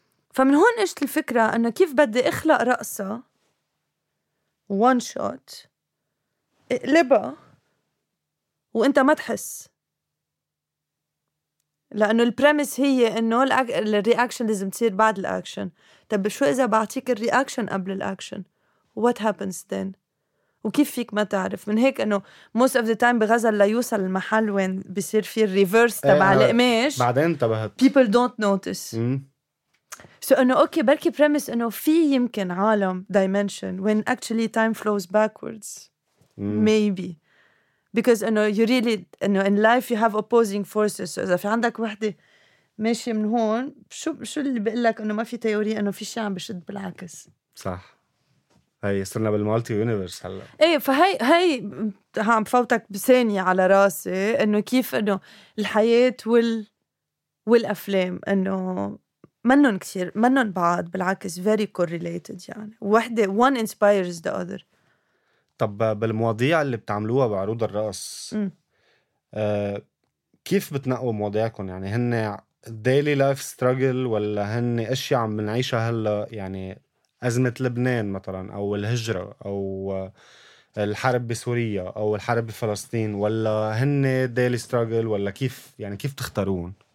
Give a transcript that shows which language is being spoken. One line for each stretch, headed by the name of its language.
Arabic: فمن هون اجت الفكره انه كيف بدي اخلق رقصه one shot اقلبها وانت ما تحس، لانه البريمس هي انه الرياكشن لازم تصير بعد الاكشن. طب شو اذا بعطيك الرياكشن قبل الاكشن؟ what happens then؟ وكيف فيك ما تعرف؟ من هيك انه most of the time بغزل ليوصل المحل وين بصير فيه الريفرس تبع القماش بعدين انتبهت
English: people don't notice. So انه okay بركي premise انه في يمكن عالم dimension when actually time flows backwards maybe because انه you really انه in life you have opposing forces.
Arabic: so اذا في عندك وحدة ماشية من هون شو اللي بقول لك انه ما في تيوري انه في شيء عم بشد بالعكس؟ صح. هاي صرنا بالمالتي يونيفرس هلا. ايه فهي عم فوتك بثانية على راسي انه كيف انه الحياة والافلام انه منن كثير منن بعض، بالعكس very correlated.
English: يعني واحدة one inspires the other.
Arabic: طب بالمواضيع اللي بتعملوها بعروض الرقص كيف بتنقوا مواضيعكم؟ يعني هن daily life struggle ولا هن اشي عم بنعيشها هلا؟ يعني أزمة لبنان مثلا أو الهجرة أو الحرب بسوريا أو الحرب بفلسطين، ولا هن daily struggle، ولا كيف يعني كيف تختارون؟